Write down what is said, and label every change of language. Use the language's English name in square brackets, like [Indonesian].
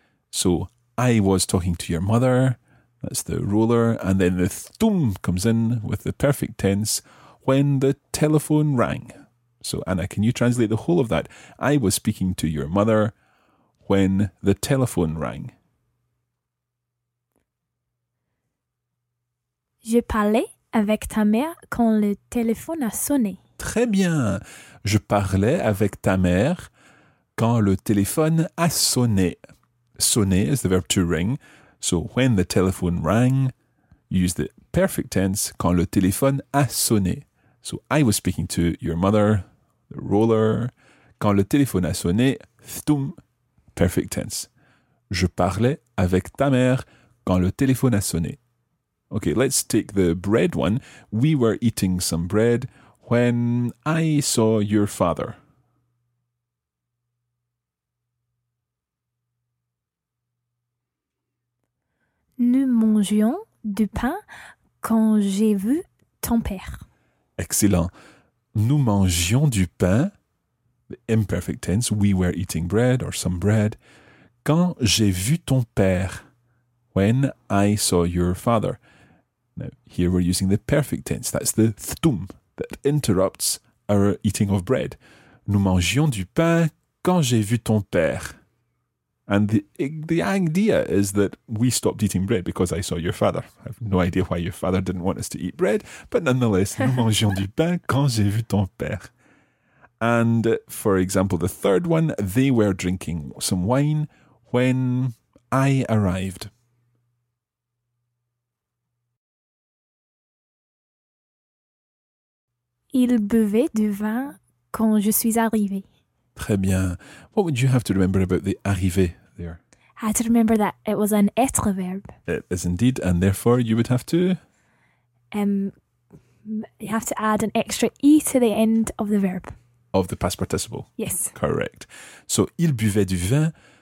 [English] So, I was talking to your mother. That's the roller, and then the thum comes in with the perfect tense when the telephone rang. So, Anna, can you translate the whole of that? I was speaking to your mother when the telephone rang. [French] Je parlais avec ta mère quand le téléphone a sonné. Très bien. Je parlais avec ta mère quand le téléphone a sonné. [English] Sonner is the verb to ring. So when the telephone rang, use the perfect tense, [French] quand le téléphone a sonné. [English] So I was speaking to your mother, the roller. [French] Quand le téléphone a sonné, thtum, [English] perfect tense. [French] Je parlais avec ta mère quand le téléphone a sonné. [English] Okay, let's take the bread one. We were eating some bread when I saw your father. [French] Nous mangeions du pain quand j'ai vu ton père. [English] Excellent. [French] Nous mangeions du pain, [English] the imperfect tense, we were eating bread or some bread, [French] quand j'ai vu ton père, [English] when I saw your father. Now, here we're using the perfect tense. That's the thtum that interrupts our eating of bread. [French] Nous mangeons du pain quand j'ai vu ton père. [English] And the idea is that we stopped eating bread because I saw your father. I have no idea why your father didn't want us to eat bread, but nonetheless, [French] nous mangeons du pain quand j'ai vu ton père. [English] And for example, the third one, they were drinking some wine when I arrived. [French] Il buvait du vin quand je suis arrivée. Très bien. [English] What would you have to remember about the arriver there? I had to remember that it was an être verb. It is indeed, and therefore you would have to... You have to add an extra E to the end of the verb. Of the past participle. Yes. [French] Correct. So, il buvait du vin.